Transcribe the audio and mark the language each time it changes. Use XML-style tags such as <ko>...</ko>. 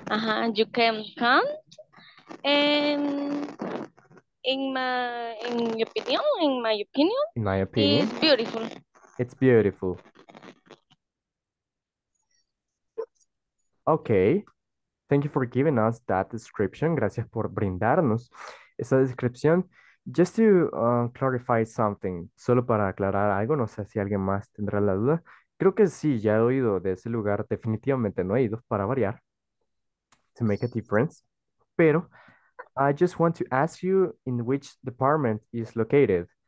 <en>Uh-huh. You can camp, and in my opinion, in my opinion, it's beautiful. It's beautiful. Okay, thank you for giving us that description.</en> <es>Gracias por brindarnos esa descripción.</es> <en>Just to clarify something,</en> <es>solo para aclarar algo, no sé si alguien más tendrá la duda. Creo que sí, ya he oído de ese lugar, definitivamente no he ido, para variar.</es> <en>To make a difference. Pero I just want to ask you in which department is located.</en>